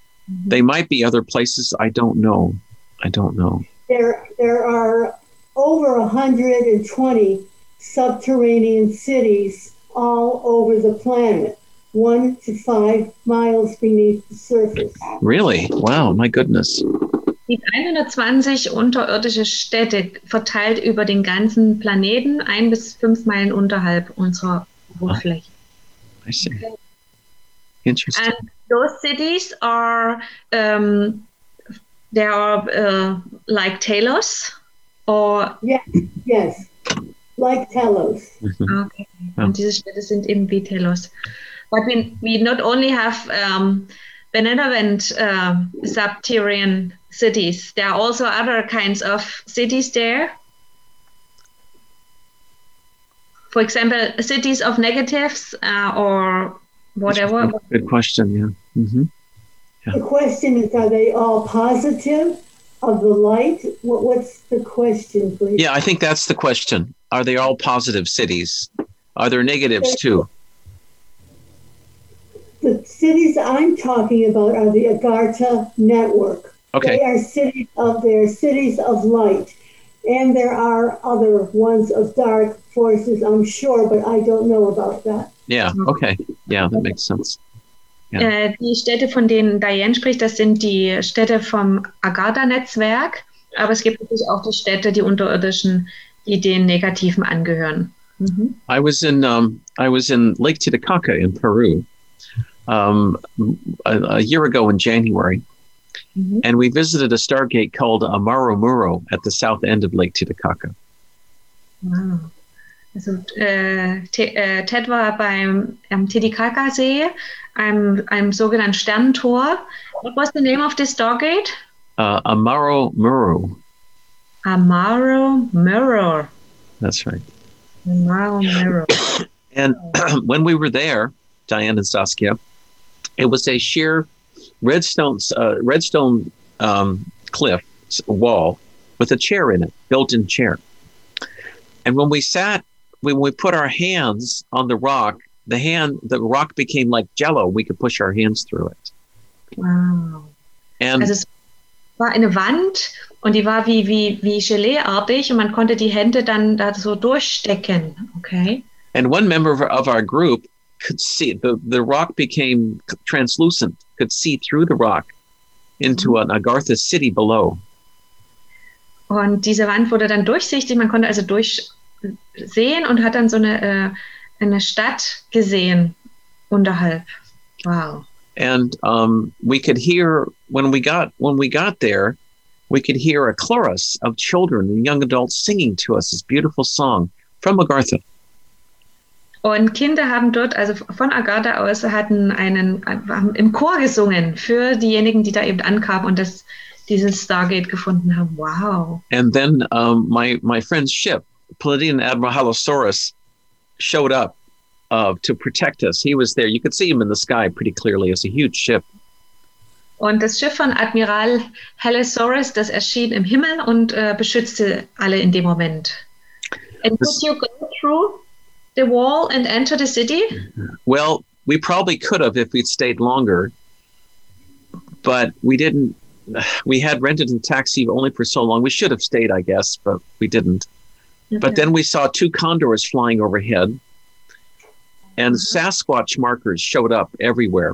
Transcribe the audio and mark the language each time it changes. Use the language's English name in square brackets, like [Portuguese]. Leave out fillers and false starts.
[English] Mm-hmm. They might be other places. I don't know. There are over 120 subterranean cities all over the planet, 1 to 5 miles beneath the surface. Really? Wow, my goodness. [German] Die 120 unterirdische Städte verteilt über den ganzen Planeten, 1 bis 5 Meilen unterhalb unserer Oberfläche. [English] Oh, I see. Interesting. And those cities are, they are like Telos. Yes, like Telos. Okay, and [German] diese Städte sind eben wie Telos. [English] But we not only have benevolent subterranean cities, there are also other kinds of cities there. For example, cities of negatives or whatever. Good question, yeah. Mm-hmm. Yeah. The question is, are they all positive? Of the light? What's the question, please? Yeah, I think that's the question. Are they all positive cities? Are there negatives, too? The cities I'm talking about are the Agartha Network. Okay. They're cities of light. And there are other ones of dark forces, I'm sure, but I don't know about that. Yeah, okay. Yeah, that makes sense. Yeah. [German] Die Städte, von denen Diane spricht, das sind die Städte vom Agartha-Netzwerk, aber es gibt natürlich auch die Städte, die unterirdischen, die den Negativen angehören. [English] Mm-hmm. I was in Lake Titicaca in Peru a year ago in January, mm-hmm. and we visited a stargate called Amaromuro at the south end of Lake Titicaca. Wow. [German] Also Ted war beim Titicaca-See, einem sogenannten Sternentor. [English] What was the name of this stargate? Amaromuro. Amaromuro. That's right. Amaromuro. And when we were there, Diane and Saskia, it was a sheer redstone cliff wall with a chair in it, built-in chair. And when we sat, when we put our hands on the rock, the rock became like jello. We could push our hands through it. Wow. And [German] also es war eine Wand und die war wie geleeartig und man konnte die Hände dann da so durchstecken. [English] Okay. And one member of our group could see the rock became translucent, could see through the rock into an Agartha city below. [German] Und diese Wand wurde dann durchsichtig, man konnte also sehen und hat dann so eine Stadt gesehen unterhalb. [English] Wow. And we could hear when we got there, we could hear a chorus of children and young adults singing to us this beautiful song from Agartha. [German] Und Kinder haben dort, also von Agartha aus, hatten einen, haben im Chor gesungen für diejenigen, die da eben ankamen und das, dieses Stargate gefunden haben. [English] Wow. And then my friend's ship, Palladian Admiral Halosaurus, showed up to protect us. He was there. You could see him in the sky pretty clearly. It's a huge ship. [German] Und das Schiff von Admiral Halosaurus, das erschien im Himmel und beschützte alle in dem Moment. [English] And could you go through the wall and enter the city? Well, we probably could have if we'd stayed longer, but we didn't. We had rented a taxi only for so long. We should have stayed, I guess, but we didn't. Okay. But then we saw two condors flying overhead, and Sasquatch markers showed up everywhere.